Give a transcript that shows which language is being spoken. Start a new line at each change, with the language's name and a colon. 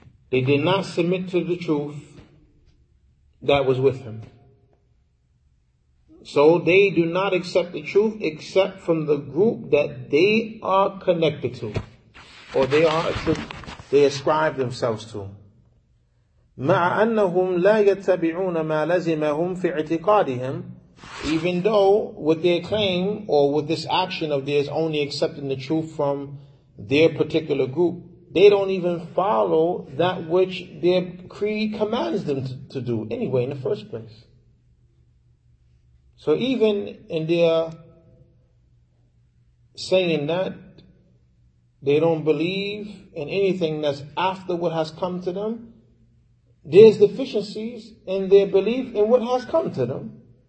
English: They did not submit to the truth that was with him. So they do not accept the truth except from the group that they are connected to, or they ascribe themselves to.
Arabic: مع أنهم لا يتبعون ما لزمهم في اعتقادهم.
English: Even though with their claim or with this action of theirs only accepting the truth from their particular group, they don't even follow that which their creed commands them to do anyway in the first place. So even in their saying that they don't believe in anything that's after what has come to them, there's deficiencies in their belief in what has come to them.